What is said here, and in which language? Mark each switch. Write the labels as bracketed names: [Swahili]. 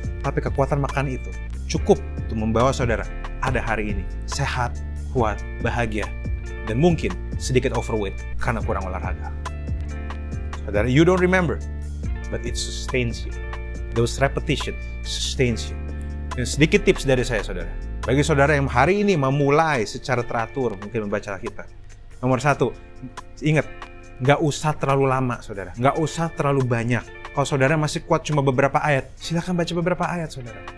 [Indonesian] Tapi kekuatan makan itu cukup untuk membawa saudara ada hari ini, sehat, kuat, bahagia, dan mungkin sedikit overweight karena kurang olahraga. [English] Saudara, you don't remember, but it sustains you. Those repetition sustains you. [Indonesian] Dan sedikit tips dari saya, saudara. Bagi saudara yang hari ini memulai secara teratur, mungkin membaca Alkitab. Nomor satu, ingat, nggak usah terlalu lama, saudara. Nggak usah terlalu banyak. Kalau saudara masih kuat cuma beberapa ayat, silakan baca beberapa ayat, saudara.